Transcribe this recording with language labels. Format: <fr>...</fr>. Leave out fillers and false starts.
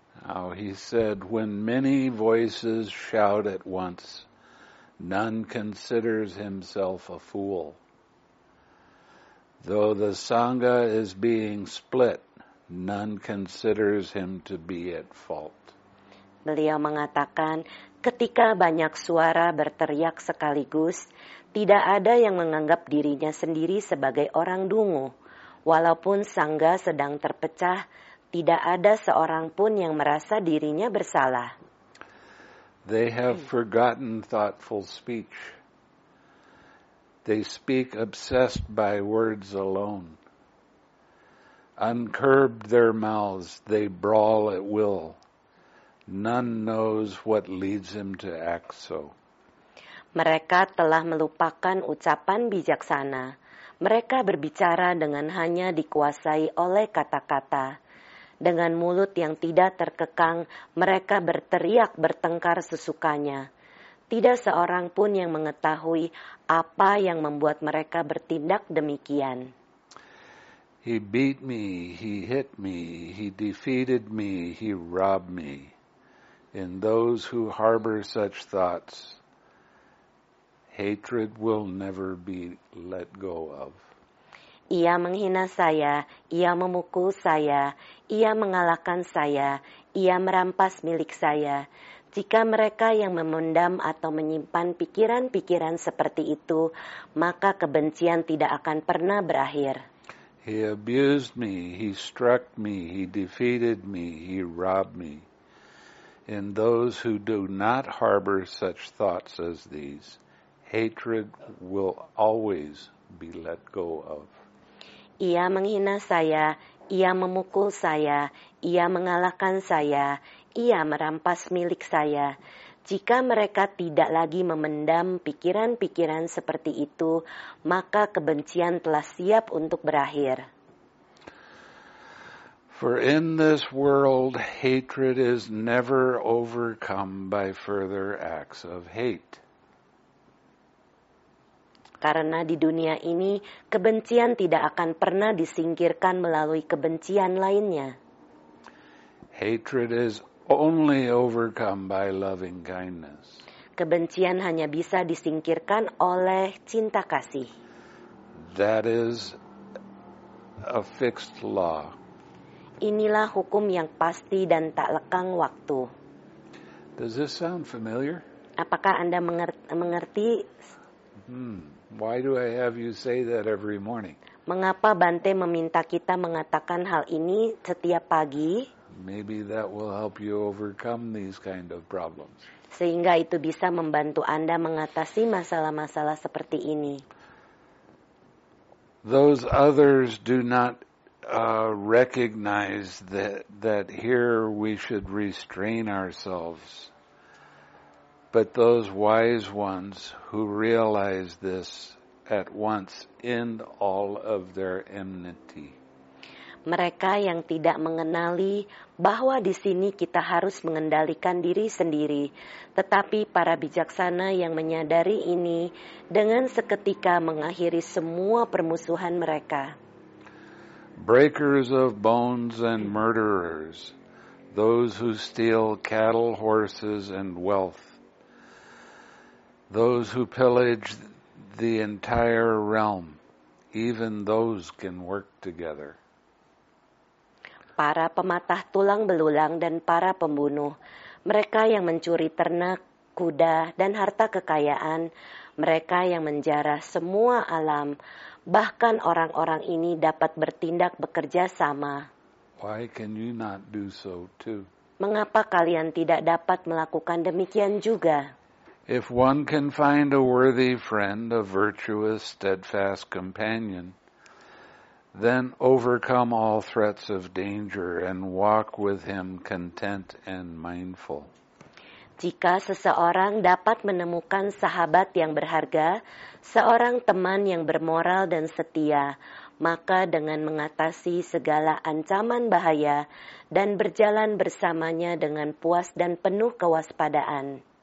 <en>Now he said, when many voices shout at once, none considers himself a fool. Though the Sangha is being split, none considers him to be at fault.</en> <id>Beliau mengatakan, ketika banyak suara berteriak sekaligus, tidak ada yang menganggap dirinya sendiri sebagai orang dungu. Walaupun Sangha sedang terpecah, tidak ada seorang pun yang merasa dirinya bersalah.</id> <en>They have forgotten thoughtful speech. They speak obsessed by words alone. Uncurbed their mouths, they brawl at will. None knows what leads him to act so.</en> <id>Mereka telah melupakan ucapan bijaksana. Mereka berbicara dengan hanya dikuasai oleh kata-kata. Dengan mulut yang tidak terkekang, mereka berteriak bertengkar sesukanya. Tidak seorang pun yang mengetahui apa yang membuat mereka bertindak demikian.</id> <en>He beat me, he hit me, he defeated me, he robbed me. In those who harbor such thoughts, hatred will never be let go of.</en> <id>Ia menghina saya, ia memukul saya, ia mengalahkan saya, ia merampas milik saya. Jika mereka yang memendam atau menyimpan pikiran-pikiran seperti itu, maka kebencian tidak akan pernah berakhir.</id> <en>He abused me, he struck me, he defeated me, he robbed me. In those who do not harbor such thoughts as these, hatred will always be let go of.</en> <id>Ia menghina saya, ia memukul saya, ia mengalahkan saya, ia merampas milik saya. Jika mereka tidak lagi memendam pikiran-pikiran seperti itu, maka kebencian telah siap untuk berakhir.</id> <en>For in this world, hatred is never overcome by further acts of hate.</en> <id>Karena di dunia ini, kebencian tidak akan pernah disingkirkan melalui kebencian lainnya.</id> <en>Hatred is only overcome by loving kindness.</en> <id>Kebencian hanya bisa disingkirkan oleh cinta kasih.</id> <en>That is a fixed law.</en> <id>Inilah hukum yang pasti dan tak lekang waktu.</id> <en>Does this sound familiar?</en> <id>Apakah Anda mengerti?</id> <en>Why do I have you say that every morning?</en> <id>Mengapa Bante meminta kita mengatakan hal ini setiap pagi?</id> <en>Maybe that will help you overcome these kind of problems.</en> <id>Sehingga itu bisa membantu Anda mengatasi masalah-masalah seperti ini.</id> <en>Those others do not recognize that here we should restrain ourselves. But those wise ones who realize this at once end all of their enmity.</en> <id>Mereka yang tidak mengenali bahwa di sini kita harus mengendalikan diri sendiri, tetapi para bijaksana yang menyadari ini dengan seketika mengakhiri semua permusuhan mereka.</id> <en>Breakers of bones and murderers, those who steal cattle, horses and wealth, those who pillage the entire realm, even those can work together.</en> <id>Para pematah tulang belulang dan para pembunuh, mereka yang mencuri ternak, kuda, dan harta kekayaan, mereka yang menjarah semua alam, bahkan orang-orang ini dapat bertindak bekerja sama.</id> <en>Why can you not do so too?</en> <id>Mengapa kalian tidak dapat melakukan demikian juga?</id> <en>If one can find a worthy friend, a virtuous, steadfast companion, then overcome all threats of danger and walk with him content and mindful.</en> <id>Jika seseorang dapat menemukan sahabat yang berharga, seorang teman yang bermoral dan setia, maka dengan mengatasi segala ancaman bahaya dan berjalan bersamanya dengan puas dan penuh kewaspadaan.</id>